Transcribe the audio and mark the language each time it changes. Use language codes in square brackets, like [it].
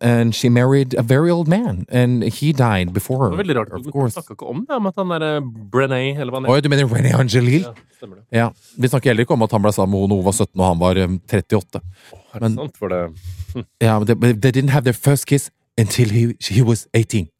[en] And she married a very old man, and he died before her. [no] Det var veldig rart. Du snakker ikke om det, om at han er Brené, eller hva han heter. Oi, du mener René Angelil? Ja, stemmer det. Ja, vi snakker heller ikke om at han ble sammen med henne når hun var 17, og han var 38. Er det sant for det? Ja, men [en] they didn't have their first kiss until he was 18.